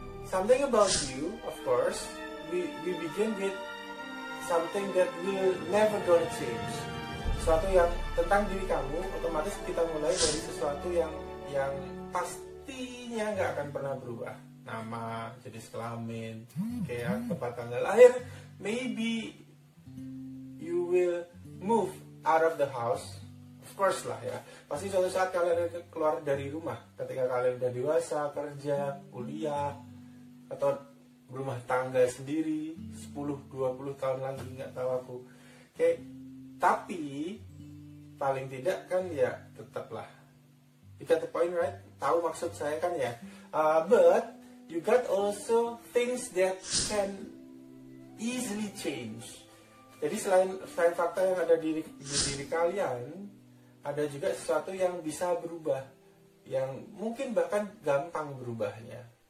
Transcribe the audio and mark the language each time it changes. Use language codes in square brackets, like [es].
[en] Something about you, of course, we begin with something that will never gonna change. [id] Sesuatu yang tentang diri kamu, otomatis kita mulai dari sesuatu yang pastinya nggak akan pernah berubah. Nama, jenis kelamin, kayak tempat tanggal lahir. [en] Maybe you will move out of the house. [id] First lah ya, pasti suatu saat kalian keluar dari rumah ketika kalian udah dewasa, kerja, kuliah, atau berumah tangga sendiri 10-20 tahun lagi, gak tahu aku. Oke, tapi paling tidak kan ya tetaplah. [en] You got the point right? [id] Tahu maksud saya kan ya. [en] But you got also things that can easily change. [id] Jadi selain fakta yang ada di diri kalian, ada juga sesuatu yang bisa berubah, yang mungkin bahkan gampang berubahnya.